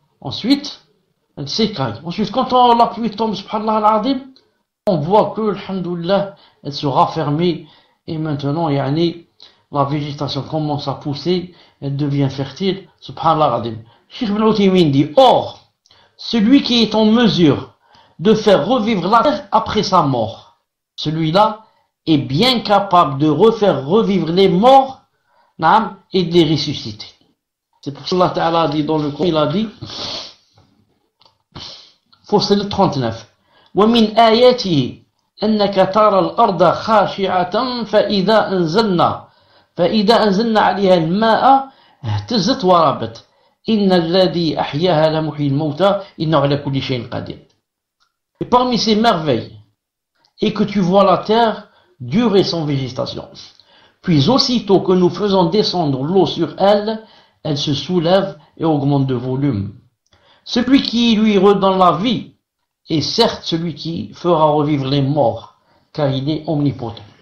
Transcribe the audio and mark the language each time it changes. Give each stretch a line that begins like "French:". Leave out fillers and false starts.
French: Ensuite, elles s'écaillent. Ensuite, quand la pluie tombe, subhanallah, on voit que, alhamdoulilah, elle se raffermit, et maintenant, la végétation commence à pousser, elle devient fertile, subhanallah. Cheikh Ibn Uthaymeen dit, or, celui qui est en mesure de faire revivre la terre après sa mort. Celui-là est bien capable de refaire revivre les morts, naam, et de les ressusciter. C'est pour cela qu'Allah a dit dans le Coran, il a dit, verset 39,
Arabic: وَمِنْ آيَاتِهِ أَنَّكَ تَرَى الْأَرْضَ خَاشِعَةً فَإِذَا أَنْزَلْنَا عَلَيْهَا الْمَاءَ اهْتَزَّتْ وَرَبَتْ إِنَّ الَّذِي أَحْيَاهَا لَمُحْيِي الْمَوْتَى إِنَّهُ عَلَى كُلِّ شَيْءٍ قَدِيرٌ.
French: Et parmi ces merveilles, et que tu vois la terre durer sans végétation, puis aussitôt que nous faisons descendre l'eau sur elle, elle se soulève et augmente de volume. Celui qui lui redonne la vie est certes celui qui fera revivre les morts, car il est omnipotent.